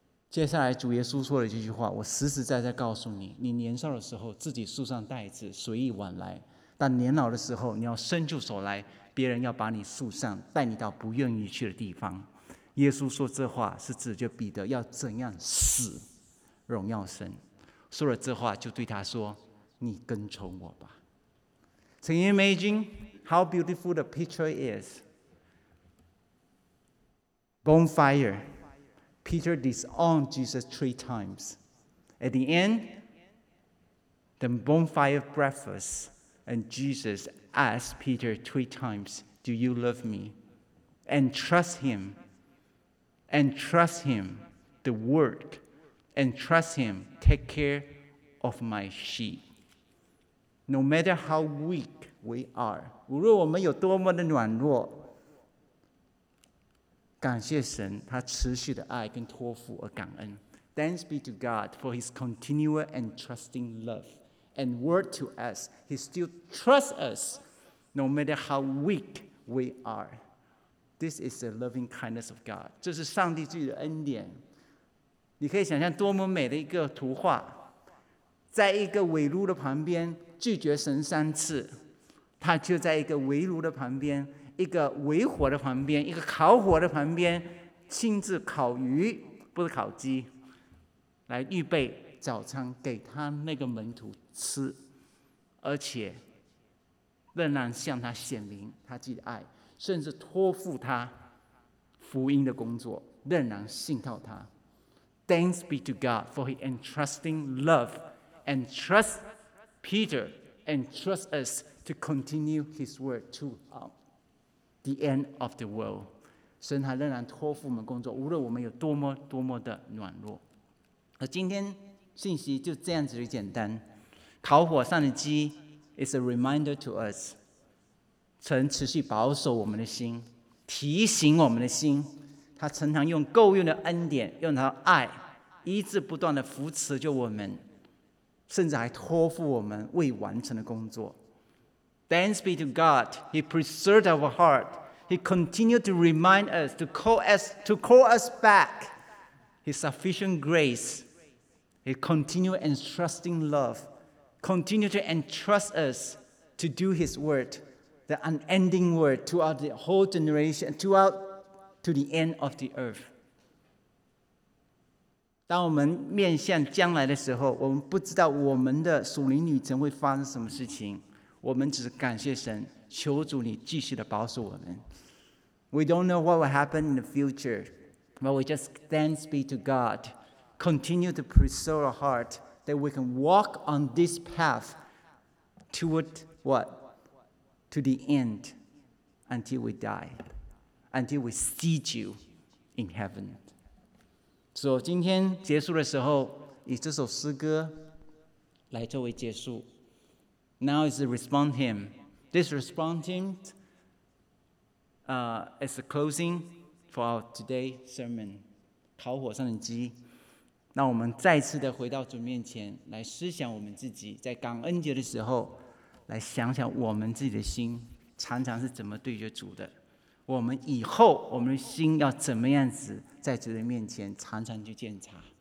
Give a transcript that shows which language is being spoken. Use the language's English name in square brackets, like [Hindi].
[Chinese] 接下来主耶稣说了这句话，我实实在在告诉你，你年少的时候自己束上带子随意往来，但年老的时候你要伸出手来，别人要把你束上带你到不愿意去的地方。耶稣说这话是指着彼得要怎样死荣耀神，说了这话就对他说，你跟从我吧。 [English] Can you imagine how beautiful the picture is? BonfirePeter disowned Jesus three times. At the end, the bonfire breakfast, and Jesus asked Peter three times, Do you love me? And trust him. And trust him, the word. And trust him, take care of my sheep. No matter how weak we are, [Chinese] 无论我们有多么的软弱，感谢神他持续的爱跟托付而感恩。 [English] Thanks be to God for his continual and trusting love and word to us. He still trusts us no matter how weak we are. This is the loving kindness of God. [Chinese] 这是上帝自己的恩典。你可以想象多么美的一个图画，在一个围炉的旁边拒绝神三次，他就在一个围炉的旁边，一个围火的旁边，一个烤火的旁边，亲自烤鱼，不是烤鸡，来预备早餐给他那个门徒吃，而且仍然向他显明他自己的爱，甚至托付他福音的工作，仍然信靠他。 [English] Thanks be to God for his entrusting love and trust Peter and trust us to continue his word to the end of the world. [Chinese] 神他仍然托付我们工作，无论我们有多么多么的软弱。而今天信息就这样子的简单，烤火上的鸡 [English] is a reminder to us. [Chinese] 神持续保守我们的心，提醒我们的心，他常常用够用的恩典，用他的爱一直不断的扶持着我们，甚至还托付我们未完成的工作。 [English] Thanks be to God, He preserved our heart. He continued to remind us, to call us back. His sufficient grace, His continued entrusting love, continued to entrust us to do His word, the unending word throughout the whole generation, throughout to the end of the earth. [Chinese] 当我们面向将来的时候，我们不知道我们的属灵旅程会发生什么事情，我们只是感谢神，求主你继续的保守我们。 [English] We don't know what will happen in the future, but we just thanks be to God, continue to preserve our heart that we can walk on this path toward what? To the end until we die, until we see you in heaven. [Chinese] 所以今天结束的时候，以这首诗歌来作为结束。 [English] Now is the response hymn. This response hymn is the closing for our today's sermon. [Chinese] 烤火上的鸡。那我们再次的回到主面前，来思想我们自己，在感恩节的时候，来想想我们自己的心常常是怎么对着主的。我们以后我们的心要怎么样子在主的面前常常去检查。